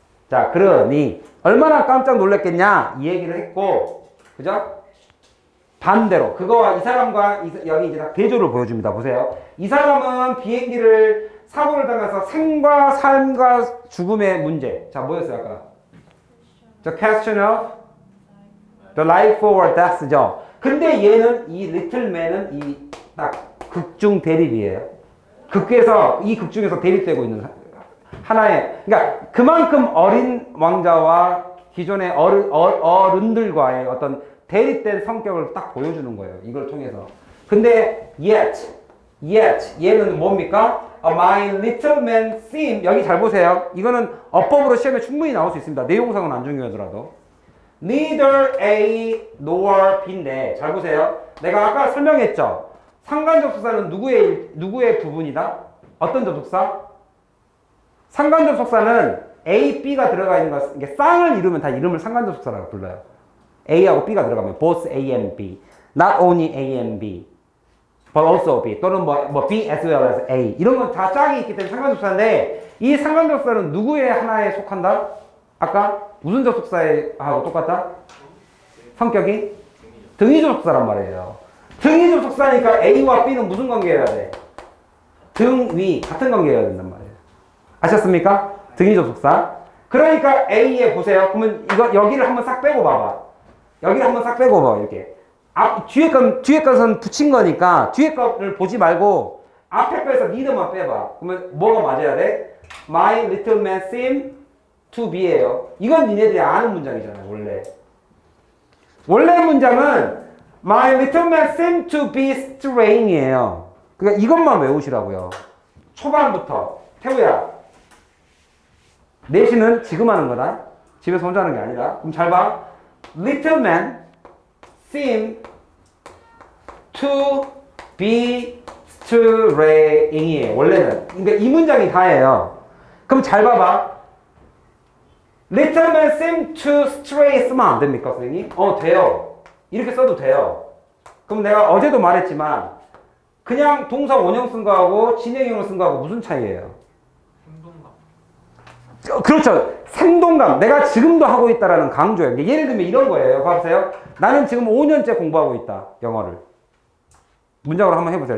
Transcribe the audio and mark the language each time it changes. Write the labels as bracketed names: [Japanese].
[Korean] 자, 그러니 얼마나 깜짝 놀랐겠냐 이 얘기를 했고. 그죠? 반대로 그거와 이 사람과 여기 이제 딱 대조를 보여줍니다. 보세요. 이 사람은 비행기를 사고를 당해서 생과 삶과 죽음의 문제. 자, 뭐였어요 아까? [English] The question of the life or death죠. [Korean] 근데 얘는 이 [English] little man [Korean] 은 이 딱 극중 대립이에요. 극에서 이 극중에서 대립되고 있는 하나의 그러니까 그만큼 어린 왕자와 기존의 어른들과의 어떤 대립된 성격을 딱 보여주는 거예요. 이걸 통해서. 근데 [English] yet [Korean] 얘는 뭡니까? [English] My little man seem [Korean] 여기 잘 보세요. 이거는 어법으로 시험에 충분히 나올 수 있습니다. 내용상은 안 중요하더라도 neither A nor B인데 잘 보세요. 내가 아까 설명했죠. 상관 접속사는 누구의 부분이다? 어떤 접속사? 상관 접속사는 A, B가 들어가 있는 것, 이게 쌍을 이루면 다 이름을 상관 접속사라고 불러요. A하고 B가 들어가면 [English] both A and B, not only A and B, but also B [Korean] 또는 뭐 [English] B as well as A [Korean] 이런 건 다 짝이 있기 때문에 상관 접속사인데 이 상관 접속사는 누구의 하나에 속한다? 아까 무슨 접속사하고 똑같다? 성격이 등위 접속사란 말이에요. 등위 접속사니까 A와 B는 무슨 관계여야 돼? 등위 같은 관계여야 된단 말이에요. 아셨습니까? 등위 접속사. 그러니까 A에 보세요. 그러면 이거 여기를 한번 싹 빼고 봐봐. 여기를 한번 싹 빼고 봐. 이렇게 앞 뒤에 건 뒤에 것은 붙인 거니까 뒤에 거를 보지 말고 앞에 거에서 need만 빼봐. 그러면 뭐가 맞아야 돼? [English] My little man seem to be예요. [Korean] 이건 니네들이 아는 문장이잖아요. 원래 문장은 [English] My little man seem to be strange예요. [Korean] 그러니까 이것만 외우시라고요. 초반부터 태우야. 내신은 지금 하는 거다. 집에서 혼자 하는 게 아니다. 그럼 잘 봐. [English] Little man seem to be straying이에요. [Korean] 원래는. 그러니까 이 문장이 다예요. 그럼 잘 봐봐. [English] Little man seem to stray [Korean] 쓰면 안 됩니까, 선생님? 어, 돼요. 이렇게 써도 돼요. 그럼 내가 어제도 말했지만 그냥 동사 원형 쓴 거하고 진행형을 쓴 거하고 무슨 차이예요? 그렇죠. 생동감. 내가 지금도 하고 있다라는 강조예요. 예를 들면 이런 거예요. 봐보세요. 나는 지금 5년째 공부하고 있다. 영어를. 문장으로 한번 해보세요.